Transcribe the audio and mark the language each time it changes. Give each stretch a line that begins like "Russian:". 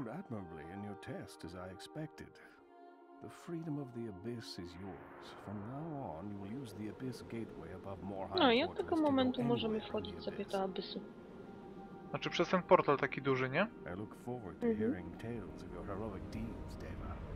English: Admirably in your test, as I expected. The freedom of the Abyss is yours. From now on, you will use the Abyss gateway above Morhaime.
Polish: No, i od tego momentu możemy wchodzić sobie do Abyssu. Znaczy przez ten portal taki duży, nie?
English: I look forward to hearing tales of your heroic deeds, Deva.